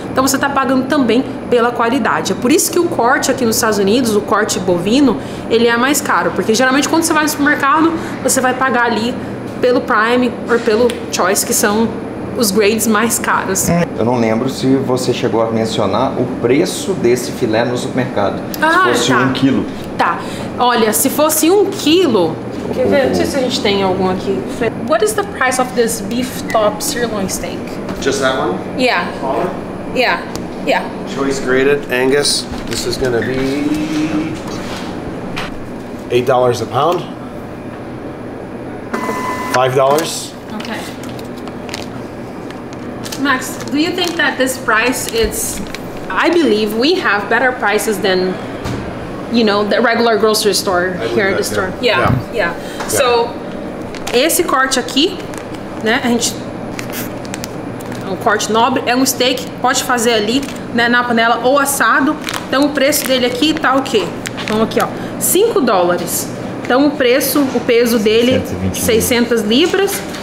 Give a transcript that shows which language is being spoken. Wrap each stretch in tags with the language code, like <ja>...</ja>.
<pt>Então você está pagando também pela qualidade. É por isso que o corte aqui nos Estados Unidos, o corte bovino, ele é mais caro, porque geralmente quando você vai no supermercado, você vai pagar ali pelo Prime ou pelo Choice, que são os grades mais caros. Eu não lembro se você chegou a mencionar o preço desse filé no supermercado. Ah, se fosse um quilo. Tá. Olha, se fosse um quilo. Oh. Quer ver? Não sei se a gente tem algum aqui.</pt> <en>What is the price of this beef top sirloin steak? Just that one? Yeah. Smaller? Yeah. Yeah. Choice graded Angus. This is gonna be $8 a pound. $5. Max, do you think that this price is, I believe we have better prices than, you know, the regular grocery store here at the store. Yeah. Yeah. Yeah.</en> <pt>So, esse corte aqui, né, a gente, um corte nobre, é um steak, pode fazer ali, né, na panela ou assado. Então o preço dele aqui tá o quê? Vamos aqui, ó, $5. Então o preço, o peso dele, 600 libras.</pt>